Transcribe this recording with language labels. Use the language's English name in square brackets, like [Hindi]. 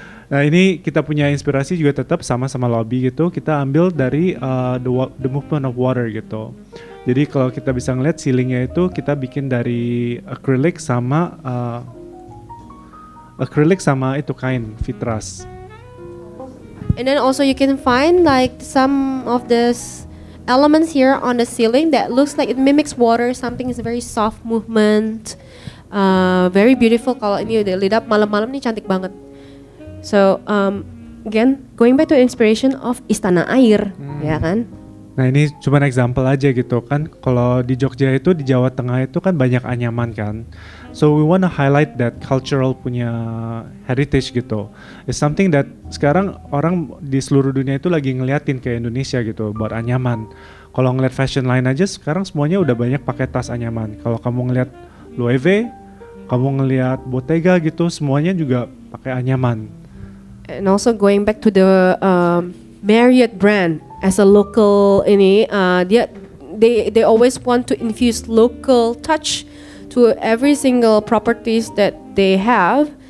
[Indonesian] Nah ini kita punya inspirasi juga tetap sama-sama lobby gitu. Kita ambil dari the movement of water gitu. Jadi kalau kita bisa ngeliat ceilingnya itu kita bikin dari acrylic sama itu kain vitras. [English] And then also you can find like some of these elements here on the ceiling that looks like it mimics water. Something is very soft movement, very beautiful. [Indonesian] Kalau ini udah lit up malam-malam nih cantik banget. [English] So again, going back to inspiration of Istana Air, ya kan? [Indonesian] Nah ini cuma example aja gitu kan. Kalau di Jogja itu, di Jawa Tengah itu kan banyak anyaman kan. [English] So we wanna highlight that cultural punya heritage gitu. It's something that [Indonesian] sekarang orang di seluruh dunia itu lagi ngeliatin ke Indonesia gitu buat anyaman. Kalau ngeliat fashion line aja sekarang semuanya udah banyak pakai tas anyaman. Kalau kamu ngeliat Louis V, kamu ngeliat Bottega gitu, semuanya juga pakai anyaman. [English] And also going back to the Marriott brand as a local ini, they always want to infuse local touch to every single properties that they have.